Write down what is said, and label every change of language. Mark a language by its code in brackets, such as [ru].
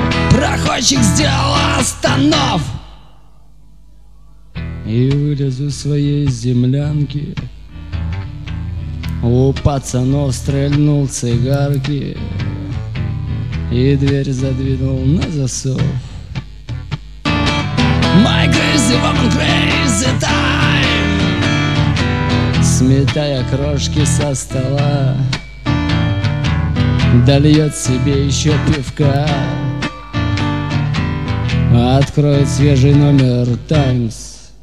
[ru] Проходчик сделал останов и вылез у своей землянки, у пацанов стрельнул цигарки и дверь задвинул на засов. [en] My crazy woman, crazy time. [ru] Сметая крошки со стола, дольет себе еще пивка, откроет свежий номер «Таймс».